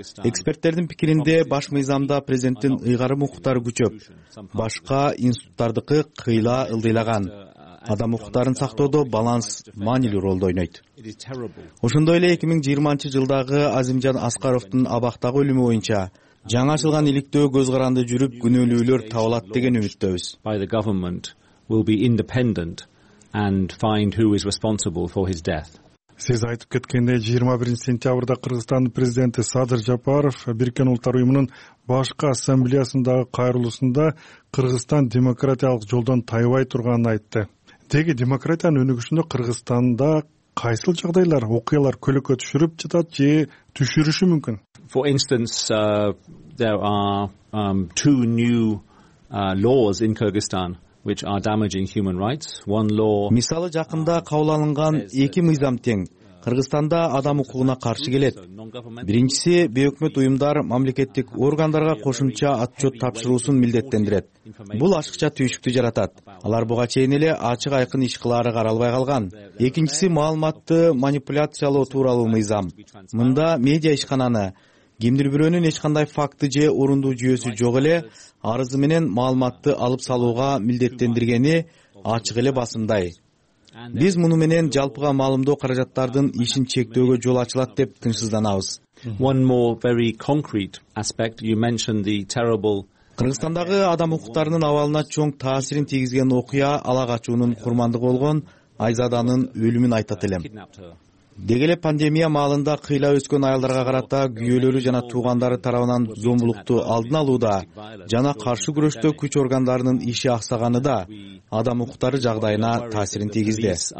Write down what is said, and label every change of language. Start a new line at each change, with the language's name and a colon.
Kyrgyz: Эксперттердин пикиринде баш мыйзамда президенттин ыйгарым укуктары күчөп, башка институттардыкы кыйла ылдыйлаган. Адам укуктарын сактоодо баланс маанилүү ролду ойнойт. Ошондой эле 2020 жылдагы Азимжан Аскаровдун абактагы өлүмү боюнча жаңы ачылган иликтөө көз каранды жүрүп, күнөөлүүлөр табылат деген үмүттөбүз.
English: By the government will be independent and find who is responsible for his death.
Kyrgyz: Сиз айтып кеткендей, 21 сентябрда Кыргызстандын президенти Садыр Жапаров Бириккен Улуттар Уюмунун башкы ассамблеясындагы кайрылуусунда Кыргызстан демократиялык жолдон тайбай турганын айтты. Деги демократиянын өнүгүшүндө Кыргызстанда кайсыл жагдайлар, окуялар көлөкө түшүрүп жатат же түшүрүшү мүмкүн?
English: For instance, there are two new laws in Kyrgyzstan which are damaging human rights. One law.
Kyrgyz: Мисалы, жакында кабыл алынган эки мыйзам тең Кыргызстанда адам укугуна каршы келет. Биринчиси, бейөкмөт уюмдар мамлекеттик органдарга кошумча отчет тапшыруусун милдеттендирет. Бул ашыкча түйшүктү жаратат. Алар буга чейин эле ачык айкын иш кылары каралбай калган. Экинчиси, маалыматты манипуляциялоо тууралуу мыйзам. Мында медиа ишкананы, кимдир бирөөнүн эч кандай факты же орундуу жүйөсү жок эле арызы менен маалыматты алып салууга милдеттендиргени ачык эле басымдай. Биз муну менен жалпыга маалымдоо каражаттардын ишин чектөөгө жол ачылат деп тынчсызданабыз.
English: One more very concrete aspect, you mentioned the terrible
Kyrgyz: Кыргызстандагы адам укуктарынын абалына чоң таасирин тийгизген окуя Ала Качуунун курмандыгы болгон Айзаданын өлүмүн айтат элем. Деги эле пандемия маалында кыйла өскөн аялдарга карата күйөөлөрү жана туугандары тарабынан зомбулукту алдын алууда жана каршы күрөштө күч органдарынын иши аксаганы да адам укуктары жагдайына таасирин тийгизди.